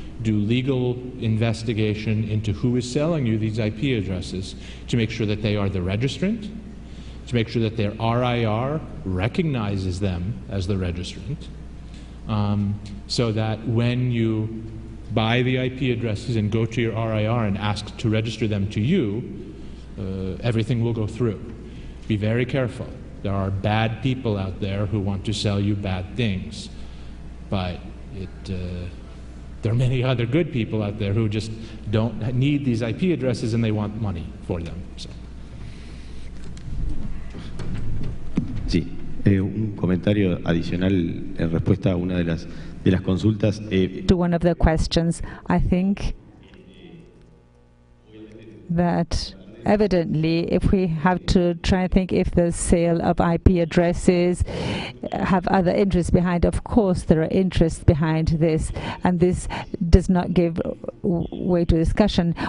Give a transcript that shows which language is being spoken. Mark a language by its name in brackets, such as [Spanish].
[English] do legal investigation into who is selling you these IP addresses to make sure that they are the registrant, to make sure that their RIR recognizes them as the registrant, so that when you buy the IP addresses and go to your RIR and ask to register them to you, everything will go through. Be very careful. There are bad people out there who want to sell you bad things, but there are many other good people out there who just don't need these IP addresses and they want money for them. So. [Spanish] Sí, un comentario adicional en respuesta a una de las consultas. [English] To one of the questions, I think that evidently, if we have to try and think if the sale of IP addresses have other interests behind, of course there are interests behind this, and this does not give way to discussion.